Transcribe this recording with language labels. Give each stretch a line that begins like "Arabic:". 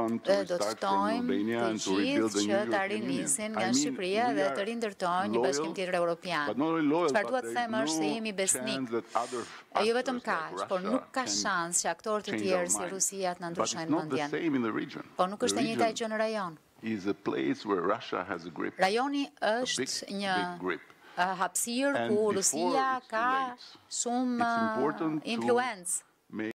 Albanian: Dhe do të ftojmë të gjithë që të rinisin nga Shqipëria dhe të rindërtojnë një Bashkim tjetër Evropian. Çfarë duhet të them është se jemi besnik. E jo vetëm kaq, por nuk ka shans që aktorët e tjerë si Rusia të na ndryshojnë mendjen. Po nuk është e njëjta gjë në rajon.
English: is a place where Russia has a grip.
Albanian: Rajoni është një hapësirë ku Rusia ka shumë influencë.